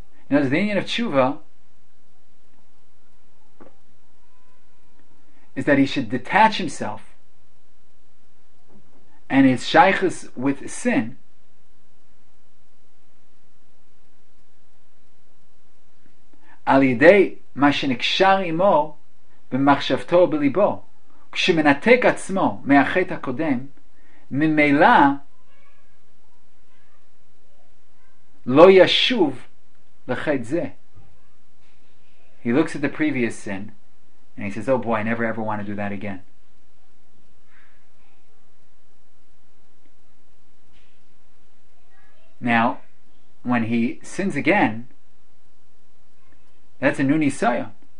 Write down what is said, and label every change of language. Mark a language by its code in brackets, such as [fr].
[en] Now, the union of tshuva is that he should detach himself and his shaykhus with sin [he] al yidei ma shenikshar imo b'machshavto b'libo. כשמנתק עצמו מהחטא הקודם, ממילא לא ישוב לחטא זה. [en] He looks at the previous sin and he says, oh boy, I never ever want to do that again. Now, when he sins again, that's a new nisayon.